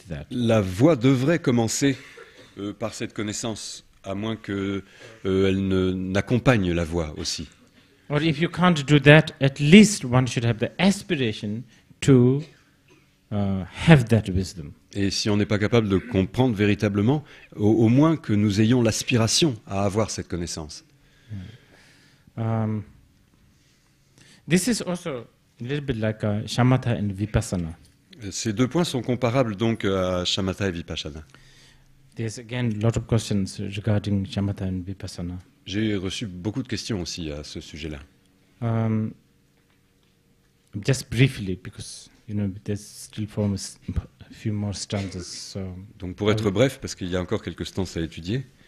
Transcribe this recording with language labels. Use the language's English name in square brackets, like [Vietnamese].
[French] La voie devrait commencer par cette connaissance, à moins que elle ne n'accompagne la voie aussi. [English] Or if you can't do that, at least one should have the aspiration to have that wisdom. [French] Et si on n'est pas capable de comprendre véritablement, au moins que nous ayons l'aspiration à avoir cette connaissance. [English] This is also a little bit like shamatha and vipassana. [French] Ces deux points sont comparables donc à shamatha et vipassana. [English] There's again a lot of questions regarding shamatha and vipassana. [French] J'ai reçu beaucoup de questions aussi à ce sujet-là. [English] Just briefly, because you know there's still a few more stanzas. So [French] donc pour être bref, parce qu'il y a encore quelques stanzas à étudier.